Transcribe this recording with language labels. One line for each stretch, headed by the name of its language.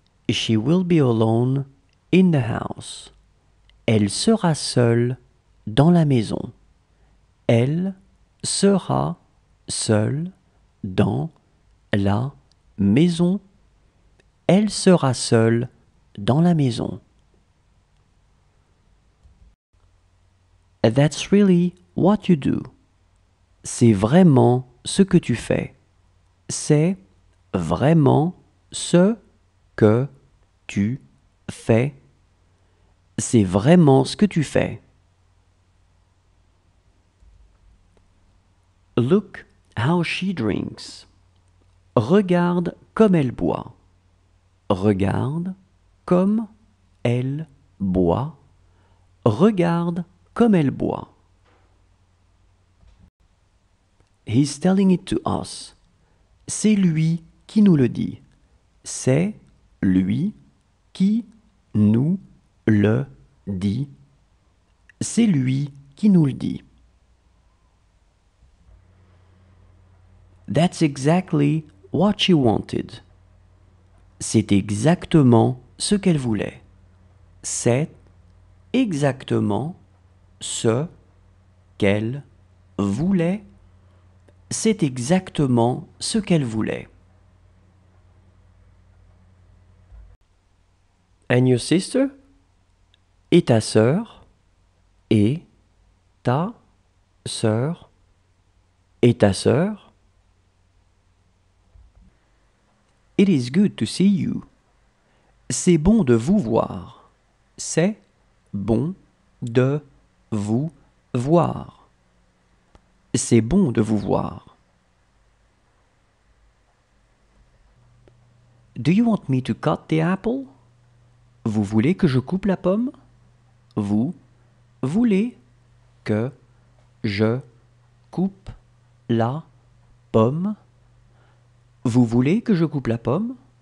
English: She will be alone in the house.
French: Elle sera seule dans la maison. Elle sera seule dans la maison. Elle sera seule dans la maison.
English: That's really what you do.
French: C'est vraiment ce que tu fais. C'est vraiment ce que tu fais. C'est vraiment ce que tu fais.
English: Look how she drinks.
French: Regarde comme elle boit. Regarde comme elle boit. Regarde comme elle boit.
English: He's telling it to us.
French: C'est lui qui nous le dit. C'est lui qui nous le dit. C'est lui qui nous le dit.
English: That's exactly what she wanted.
French: C'est exactement ce qu'elle voulait. C'est exactement ce qu'elle voulait. C'est exactement ce qu'elle voulait.
English: And your sister?
French: Et ta sœur? Et ta sœur? Et ta sœur?
English: It is good to see you.
French: C'est bon de vous voir. C'est bon de vous voir. C'est bon de vous voir.
English: Do you want me to cut the apple?
French: Vous voulez que je coupe la pomme? Vous voulez que je coupe la pomme? Vous voulez que je coupe la pomme?